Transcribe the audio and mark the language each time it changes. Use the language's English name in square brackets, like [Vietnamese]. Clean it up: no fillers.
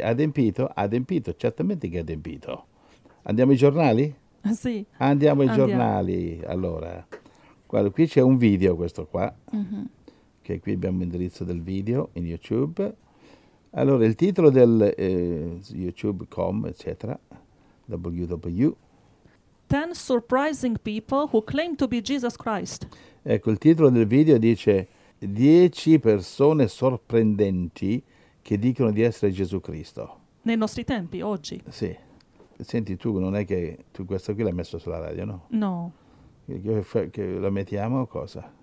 [Italian] Adempito? Adempito, certamente che è adempito. Andiamo ai giornali? Sì, Andiamo ai andiamo. giornali. Allora, guarda, qui c'è un video, questo qua, che qui abbiamo l'indirizzo del video in YouTube. Allora, il titolo del YouTube.com, eccetera, www. [English] 10 surprising people who claim to be Jesus Christ. [Italian] Ecco, il titolo del video dice 10 persone sorprendenti che dicono di essere Gesù Cristo. Nei nostri tempi, oggi. Sì. Senti, tu non è che tu questa qui l'hai messo sulla radio, no? No. Che la mettiamo o cosa?